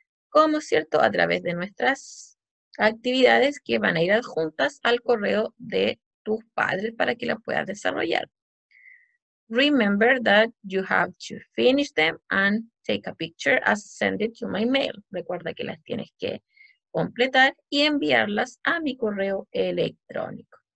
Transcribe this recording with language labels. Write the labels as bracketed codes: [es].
[es] Como cierto, a través de nuestras actividades que van a ir adjuntas al correo de tus padres para que las puedas desarrollar. [en] Remember that you have to finish them and take a picture and send it to my mail. [es] Recuerda que las tienes que completar y enviarlas a mi correo electrónico.